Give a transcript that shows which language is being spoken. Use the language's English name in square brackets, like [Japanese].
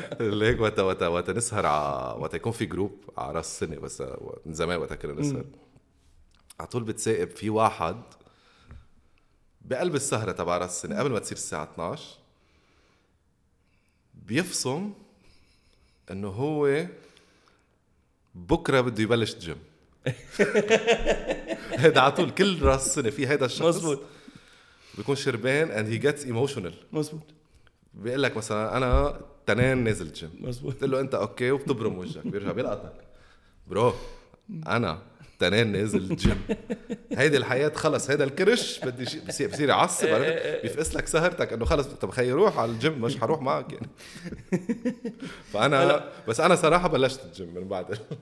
[Arabic] ليك وقت نسهر وقت يكون في جروب على راس السنة بس من زمان وقت كنا نسهر على طول بتسائب في واحد بقلب السهرة تبع راس السنة قبل ما تصير الساعة 12 بيفصم انه هو بكرة بده يبلش جيم هيدا عطول كل راس السنة في هيدا الشخص مزبوط بيكون شربان [English] and he gets emotional [Arabic] مزبوط بيقول لك مثلا أنا تنين نازل جيم مزبوط تقول له أنت أوكي وبتبرم وجهك بيرجع بيلقطك برو أنا تنين نازل جيم هيدا الحياة خلص هيدا الكرش بدي شيء بصير يعصب بيفقس لك سهرتك أنه خلص طب خي روح على الجيم مش هروح معك يعني فأنا بس أنا صراحة بلشت الجيم من بعد